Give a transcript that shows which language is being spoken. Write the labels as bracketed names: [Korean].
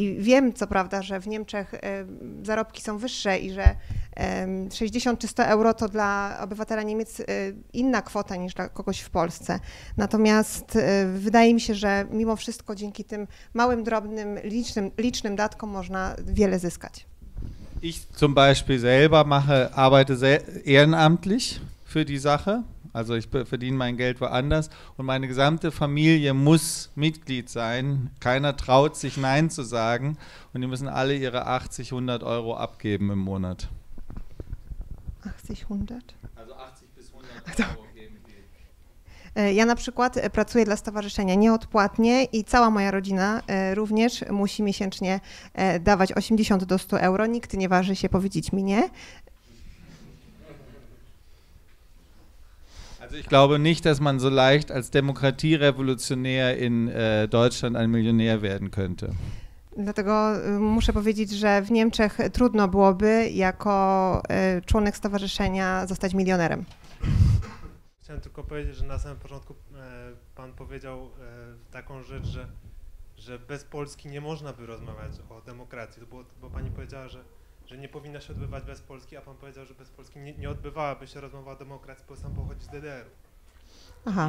[Polish] I wiem, co prawda, że w Niemczech zarobki są wyższe i że 60 czy 100 euro to dla obywatela Niemiec inna kwota niż dla kogoś w Polsce. Natomiast wydaje mi się, że mimo wszystko dzięki tym małym, drobnym, licznym datkom można wiele zyskać. [German] Ich zum Beispiel selber mache, arbeite ehrenamtlich für die Sache. Also ich verdiene mein Geld woanders und meine gesamte Familie muss Mitglied sein. Keiner traut sich Nein zu sagen und die müssen alle ihre 80, 100 Euro abgeben im Monat. 80, 100? Also 80 bis 100 Euro. [Polish] Ja na przykład pracuję dla stowarzyszenia nieodpłatnie i cała moja rodzina również musi miesięcznie dawać 80 do 100 euro. Nikt nie waży się powiedzieć mi nie. [German] Also ich glaube nicht, dass man so leicht als Demokratierevolutionär in Deutschland ein Millionär werden könnte. [Polish] Dlatego muszę powiedzieć, że w Niemczech trudno byłoby jako członek stowarzyszenia zostać milionerem. Chciałem tylko powiedzieć, że na samym początku pan powiedział taką rzecz, że bez Polski nie można by rozmawiać o demokracji, bo pani powiedziała, że nie powinna się odbywać bez Polski, a pan powiedział, że bez Polski nie odbywałaby się rozmowa o demokracji, bo sam pochodzi z DDR-u. Aha.